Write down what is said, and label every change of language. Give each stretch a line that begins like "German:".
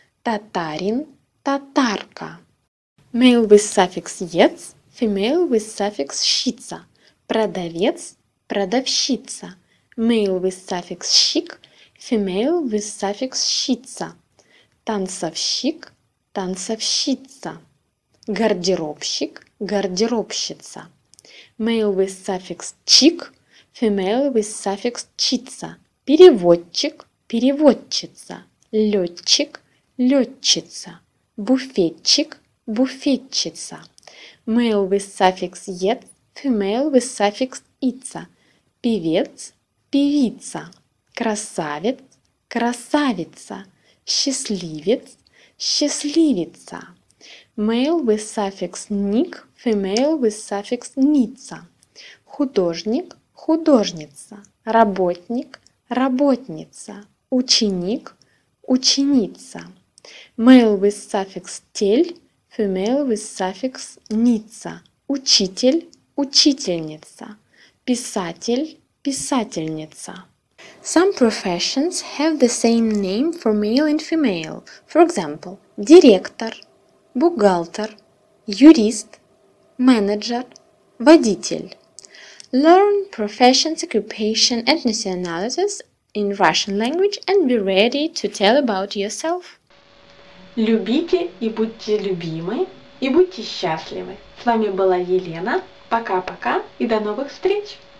Russian: Татарин – татарка.
English: Male with suffix -ец, female with suffix -щица.
Russian: Продавец – продавщица.
English: Male with suffix -щик, female with suffix -щица.
Russian: Танцовщик – танцовщица. Гардеробщик, гардеробщица.
English: Male with suffix -чик, female with suffix -чица.
Russian: Переводчик, переводчица. Летчик, летчица. Буфетчик, буфетчица.
English: Male with suffix -ет, female with suffix -ица.
Russian: Певец, певица. Красавец, красавица. Счастливец, счастливица.
English: Male with suffix -ник, female with suffix -ница.
Russian: Художник, художница. Работник, работница. Ученик, ученица.
English: Male with suffix -тель, female with suffix -ница.
Russian: Учитель, учительница. Писатель, писательница.
English: Some professions have the same name for male and female. For example,
Russian: директор, бухгалтер, юрист, менеджер, водитель.
English: Learn professions, occupation and nationalities in Russian language and be ready to tell about yourself.
Russian: Любите и будьте любимы, и будьте счастливы. С вами была Елена. Пока-пока и до новых встреч!